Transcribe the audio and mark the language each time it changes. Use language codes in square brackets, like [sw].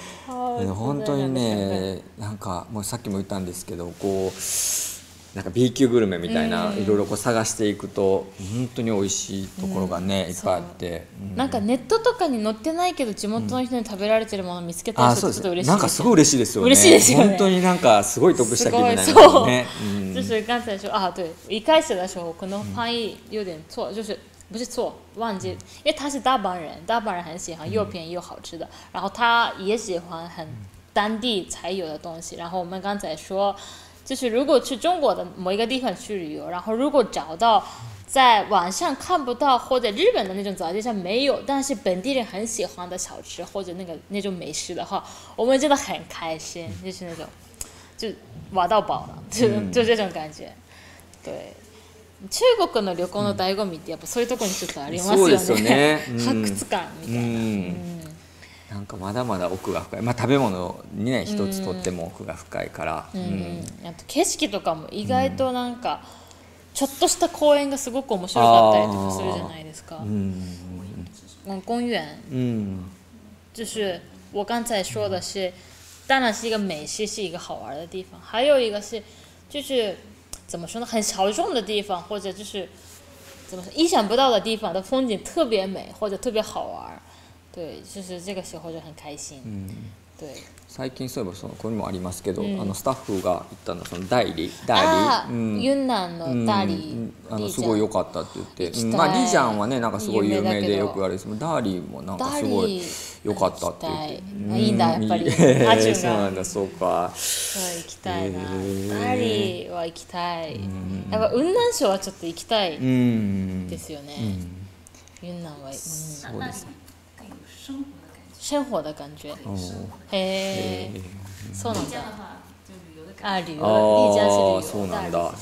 [ja] 本当にね、なんかもうさっきも言ったんですけど、こうなんか B 級グルメみたいな、いろいろこう探していくと本当に美味しいところがね、いっぱいあって、なんかネットとかに載ってないけど地元の人に食べられてるものを見つけたらちょっと嬉しい、なんかすごい嬉しいですよね。嬉しいですよね。本当になんかすごい得した気分になるんですよね。 [zh] 刚才说啊对，一开始的时候可能翻译有点错，就是不是错，忘记，因为他是大阪人，大阪人很喜欢又便宜又好吃的，然后他也喜欢很当地才有的东西，然后我们刚才说。就是如果去中国的某一个地方去旅游，然后如果找到在网上看不到或者日本的那种早街上没有，但是本地人很喜欢的小吃或者那种美食的话，我们真的很开心，就是那种就玩到饱了，就这种感觉。 [ja] 对，中国の旅行の醍醐味ってやっぱそういうところにちょっとありますよね。そうですよね。発掘感みたいな。なんかまだまだ奥が深い、まあ、食べ物にね一つとっても奥が深いから、あと景色とかも意外となんかちょっとした公園がすごく面白かったりとかするじゃないですか。 [zh] 公園、就是我刚才说的是，当然是一个美食是一个好玩的地方，还有一个是就是怎么说呢，很小众的地方或者就是怎么说意想不到的地方的风景特别美或者特别好玩。对，就是这个时候就很开心。对。 [ja] 最近そういえばそのこれもありますけど、あのスタッフが行ったのその大理、大理。雲南の大理。あのすごい良かったって言って、まあリジャンはねなんかすごい有名でよくあるし、ダーリーもなんかすごい良かったって言って。いいんだやっぱり。そうなんだそうか。そう行きたいな。ダーリーは行きたい。やっぱ雲南省はちょっと行きたいですよね。雲南は。そうです。 [zh] 生活的感觉， [ja] へえ、そうなんだ。 [zh] あ、旅游、丽江是旅游，大理是